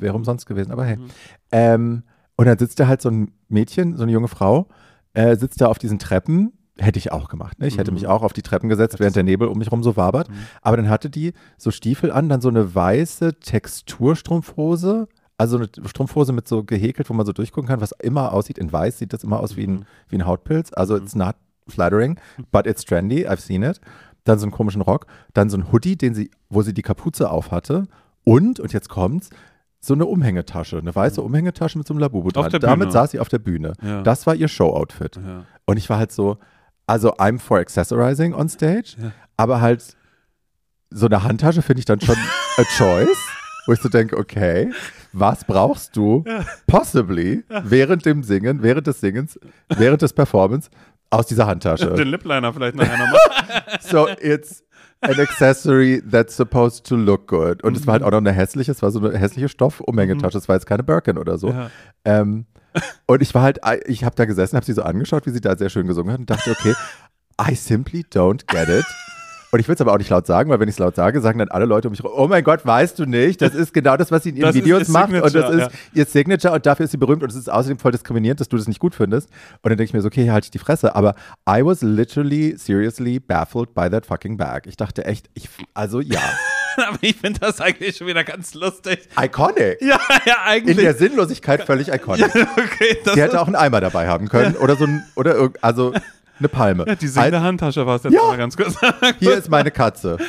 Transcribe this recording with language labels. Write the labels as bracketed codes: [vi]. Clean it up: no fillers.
[de] Wäre umsonst gewesen, aber hey. Und dann sitzt da halt so ein Mädchen, so eine junge Frau, sitzt da auf diesen Treppen. Hätte ich auch gemacht, ne? Ich hätte mich auch auf die Treppen gesetzt, während der Nebel um mich rum so wabert. Aber dann hatte die so Stiefel an, dann so eine weiße Texturstrumpfhose, also eine Strumpfhose mit so gehäkelt, wo man so durchgucken kann, was immer aussieht. In weiß sieht das immer aus wie ein Hautpilz. Also [en] it's not flattering, but it's trendy, I've seen it. [de] Dann so einen komischen Rock, dann so ein Hoodie, wo sie die Kapuze auf hatte. Und jetzt kommt's. So eine Umhängetasche, eine weiße Umhängetasche mit so einem Labubu dran. Damit saß sie auf der Bühne. Ja. Das war ihr Show-Outfit. Ja. Und ich war halt so, also [en] I'm for accessorizing on stage, [de] aber halt so eine Handtasche finde ich dann schon [en] a choice, [de] wo ich so denke, okay, was brauchst du [en] possibly [de] während dem Singen, während des Singens, während des Performance aus dieser Handtasche? Den Lipliner vielleicht noch einmal machen. [en] So it's an accessory that's supposed to look good. [de] Und es war halt auch noch eine hässliche, es war so eine hässliche Stoff-Umhängetasche. Es war jetzt keine Birkin oder so. Ja. Und ich war halt, ich habe da gesessen, habe sie so angeschaut, wie sie da sehr schön gesungen hat und dachte, okay, [en] I simply don't get it. [de] Und ich will es aber auch nicht laut sagen, weil wenn ich es laut sage, sagen dann alle Leute um mich rum, oh mein Gott, weißt du nicht, das ist genau das, was sie in ihren Videos macht und das ist ihr Signature und dafür ist sie berühmt und es ist außerdem voll diskriminierend, dass du das nicht gut findest. Und dann denke ich mir so, okay, hier halte ich die Fresse. Aber [en] I was literally, seriously baffled by that fucking bag. [de] Ich dachte echt, Aber ich finde das eigentlich schon wieder ganz lustig. [en] Iconic. [de] Ja, eigentlich. In der Sinnlosigkeit völlig iconic. Ja, okay, sie hätte auch einen Eimer dabei haben können oder so ein, oder also eine Palme. Ja, die singende Handtasche war es jetzt mal ganz kurz. Hier ist meine Katze.